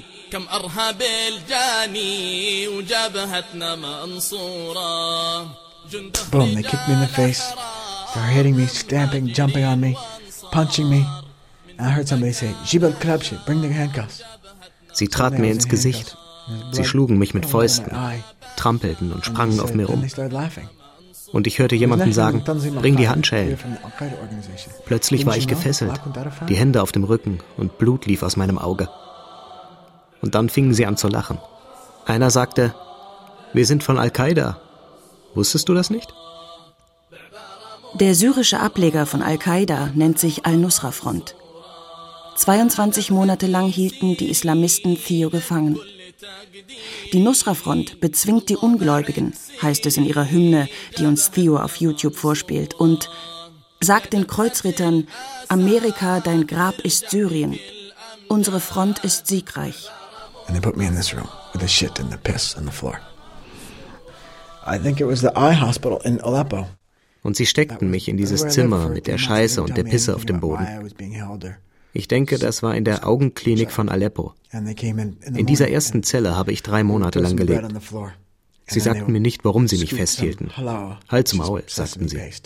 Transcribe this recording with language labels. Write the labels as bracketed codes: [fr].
[ar] كم أرهب الجاني وجبهتنا منصورة [en] Boom, they kicked me in the face. They were hitting me, stamping, jumping on me, punching me. And I heard somebody say, [ar] Jib al-Krabshi, [en] bring the handcuffs. [de] Sie traten mir ins Gesicht. Sie schlugen mich mit Fäusten, trampelten und sprangen auf mir rum. Und ich hörte jemanden sagen, bring die Handschellen. Plötzlich war ich gefesselt, die Hände auf dem Rücken und Blut lief aus meinem Auge. Und dann fingen sie an zu lachen. Einer sagte, wir sind von Al-Qaida. Wusstest du das nicht? Der syrische Ableger von Al-Qaida nennt sich Al-Nusra-Front. 22 Monate lang hielten die Islamisten Theo gefangen. Die Nusra-Front bezwingt die Ungläubigen, heißt es in ihrer Hymne, die uns Theo auf YouTube vorspielt, und sagt den Kreuzrittern, Amerika, dein Grab ist Syrien. Unsere Front ist siegreich. [en] And they put me in this room with the shit and the piss on the floor. I think it was the eye hospital in Aleppo. [de] Und sie steckten mich in dieses Zimmer mit der Scheiße und der Pisse auf dem Boden. Ich denke, das war in der Augenklinik von Aleppo. In dieser ersten Zelle habe ich 3 Monate lang gelebt. Sie sagten mir nicht, warum sie mich festhielten. Halt's Maul, sagten sie.